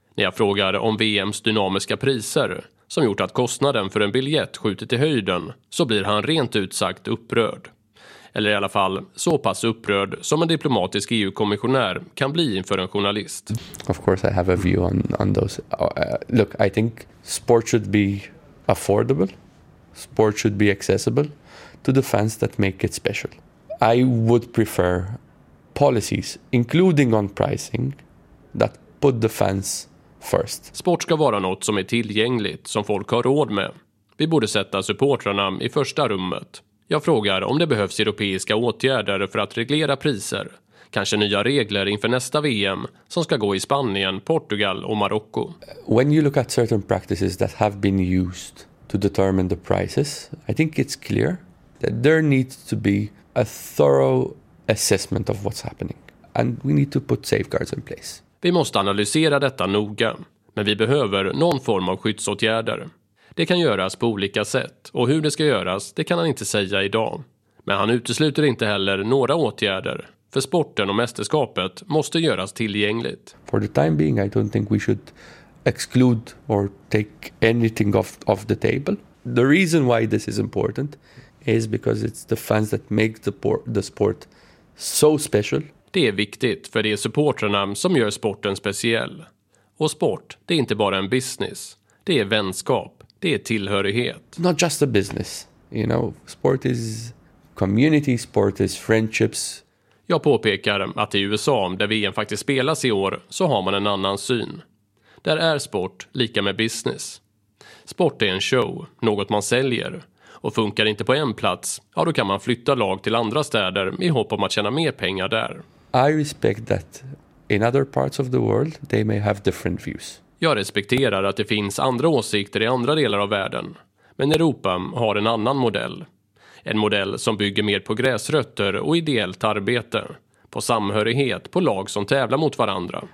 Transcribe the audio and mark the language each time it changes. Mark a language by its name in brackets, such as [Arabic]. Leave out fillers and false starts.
[Swedish] När jag frågar om VMs dynamiska priser som gjort att kostnaden för en biljett skjutit i höjden, så blir han rent ut sagt upprörd. Eller i alla fall så pass upprörd som en diplomatisk EU-kommissionär kan bli inför en journalist. [English] Of course I have a view on those. Look, I think sport should be affordable. Sport should be accessible to the fans that make it special. I would prefer policies, including on pricing, that put the fans first. [Swedish] Sport ska vara något som är tillgängligt, som folk har råd med. Vi borde sätta supportrarna i första rummet. Jag frågar om det behövs europeiska åtgärder för att reglera priser. Kanske nya regler inför nästa VM som ska gå i Spanien, Portugal och Marocko. [English] When you look at certain practices that have been used to determine the prices, I think it's clear that there needs to be a thorough assessment of what's happening. And we need to put safeguards in place. [Swedish] Vi måste analysera detta noga, men vi behöver någon form av skyddsåtgärder. Det kan göras på olika sätt, och hur det ska göras, det kan han inte säga idag. Men han utesluter inte heller några åtgärder, för sporten och mästerskapet måste göras tillgängligt. [English] For the time being, I don't think we should exclude or take anything off the table. The reason why this is important is because it's the fans that make the sport so special. [Swedish] Det är viktigt, för det är supportrarna som gör sporten speciell. Och sport, det är inte bara en business. Det är vänskap, det är tillhörighet. [English] Not just a business, you know. Sport is community, sport is friendships. [Swedish] Jag påpekar att i USA, där VM faktiskt spelas i år, så har man en annan syn. Där är sport lika med business. Sport är en show, något man säljer. Och funkar inte på en plats, ja, då kan man flytta lag till andra städer i hopp om att tjäna mer pengar där. [English] I respect that in other parts of the world they may have different views. [Swedish] Jag respekterar att det finns andra åsikter i andra delar av världen. Men Europa har en annan modell. En modell som bygger mer på gräsrötter och ideellt arbete. På samhörighet, på lag som tävlar mot varandra.